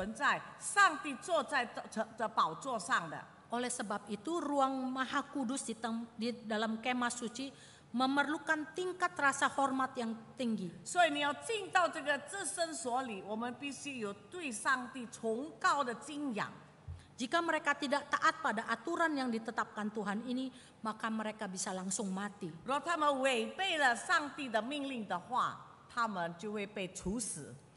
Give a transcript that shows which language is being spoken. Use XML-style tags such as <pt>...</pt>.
<zh>那么那些地方就是有上帝的存在，上帝坐在宝座上的。</zh> <id>Oleh sebab itu ruang maha kudus di dalam kemah suci memerlukan tingkat rasa hormat yang tinggi.</id> <zh>所以你要进到这个至圣所里，我们必须有对上帝崇高的敬仰。</zh> <id>Jika mereka tidak taat pada aturan yang ditetapkan Tuhan ini, maka mereka bisa langsung mati.</id> <zh>若他们违背了上帝的命令的话，他们就会被处死。</zh>